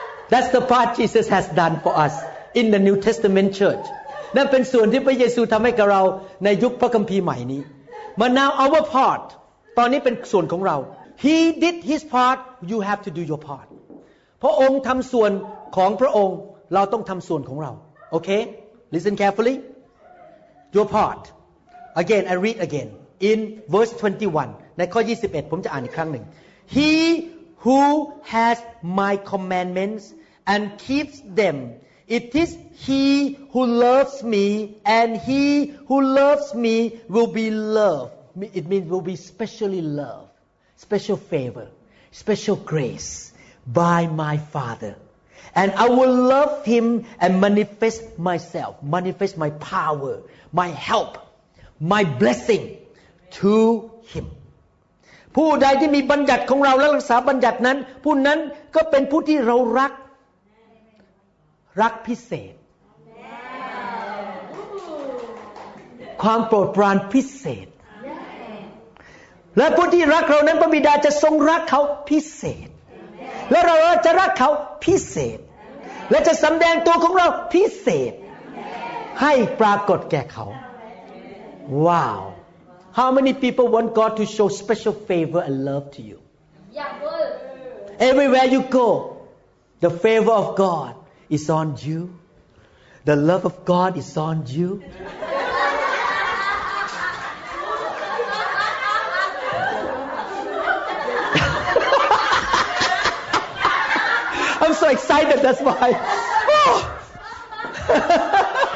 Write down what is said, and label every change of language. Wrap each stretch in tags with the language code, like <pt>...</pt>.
<en>That's the part Jesus has done for us in the New Testament church. That's the part that Jesus has done for us in the New Testament church. But now our part, now it's our part. He did his part. You have to do your part.</en> <th>พระองค์ทำส่วนของพระองค์เราต้องทำส่วนของเรา Okay?</th> <en>Listen carefully. Your part. Again, I read again. In verse 21.</en> <th>ในข้อ 21 ผมจะอ่านอีกครั้งหนึ่ง</th> <en>He who has my commandments and keeps them, it is he who loves me, and he who loves me will be loved. It means will be specially loved, special favor, special grace by my Father. And I will love him and manifest myself, manifest my power, my help, my blessing to him.</en> <th>ผู้ใดที่มีบัญญัติของเราและรักษาบัญญัตินั้นผู้นั้นก็เป็นผู้ที่เรารักรักพิเศษ ความโปรดปรานพิเศษและผู้ที่รักเรานั้นพระบิดาจะทรงรักเขาพิเศษและเราจะรักเขาพิเศษและจะสำแดงตัวของเราพิเศษให้ปรากฏแก่เขาว้าว</th> <en>How many people want God to show special favor and love to you? Everywhere you go, the favor of God is on you. The love of God is on you. I'm so excited, that's why.</en>